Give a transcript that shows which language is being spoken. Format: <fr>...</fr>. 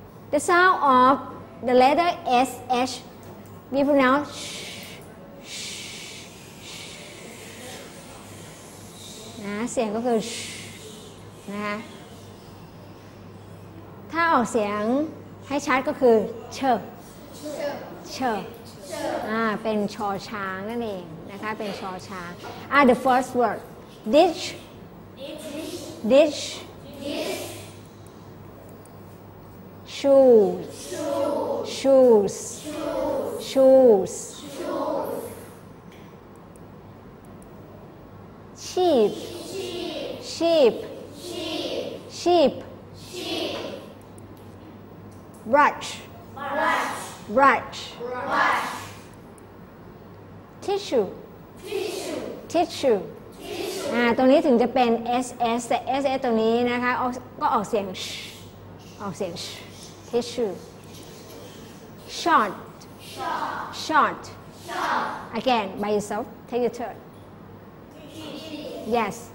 <en>The sound of the letter S H we pronounce sh, sh, sh.</en> <th>นะเสียงก็คือ sh, นะถ้าออกเสียงให้ชัดก็คือ ch ch เป็นชอช้างนั่นเองนะคะเป็นชอช้าง</th> <en>the first word dish dish shoes shoes shoes shoes sheep sheep sheep sheep brush brush brush brush tissue tissue tissue</en> <th>ตรงนี้ถึงจะเป็น ss แต่ ss ตรงนี้นะคะก็ออกเสียง sh ออกเสียง sh</th> <en>tissue short short short again by yourself take your turn yes</en>